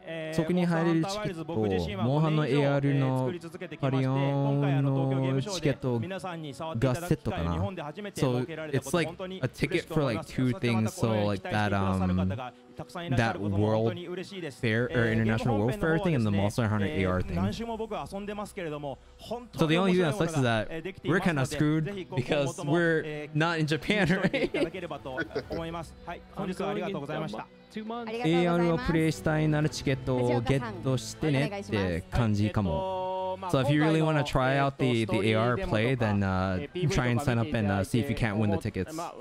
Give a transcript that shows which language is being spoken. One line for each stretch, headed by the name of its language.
Japanese: そこに入れるチケット、モンハンの AR のパリオンのチケットがセットかな。
English: So it's like a ticket for like two things, so like that, that World Fair or International World Fair thing and the Monster Hunter AR thing. So the only thing that sucks is that we're kind of screwed because we're not in Japan, right?
Japanese: AR をプレイしたいならチケットをゲットしてねって感じかも。
English: So if you really want to try out the AR play, then try and sign up and see if you can't win the tickets.